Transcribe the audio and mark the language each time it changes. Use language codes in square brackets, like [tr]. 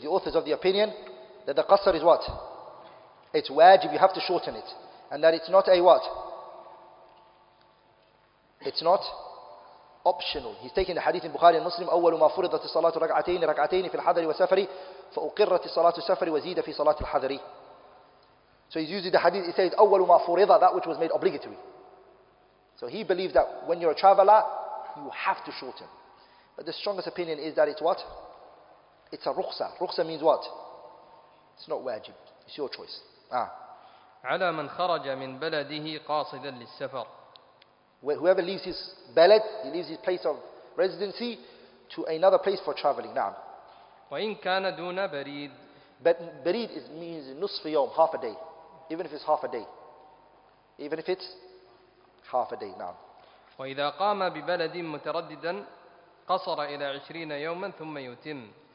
[en] The authors of the opinion that the qasr is what? It's wajib, you have to shorten it. And that it's not a what? It's not optional. He's taking the hadith in Bukhari and Muslim. [ar] أول ما فرضت الصلاة ركعتين ركعتين في الحضر وسفري فأقرت الصلاة السفري وزيد في صلاة الحضر. [en] So he's using the hadith, he says, [ar] أول ما فرضا, [en] that which was made obligatory. So he believed that when you're a traveler, you have to shorten. But the strongest opinion is that it's what? It's a rukhsa. Rukhsa means what? It's not wajib. It's your choice. [ar] على من خرج من بلده قاصدا للسفر. [en] Whoever leaves his balad, he leaves his place of residency to another place for traveling. [ar] نعم. وإن كان دون بريد. [en] But bareed means nusf yawm, half a day. Even if it's half a day. [ar] نعم. وإذا قام ببلد مترددا قصر إلى 20 يوما ثم يتم.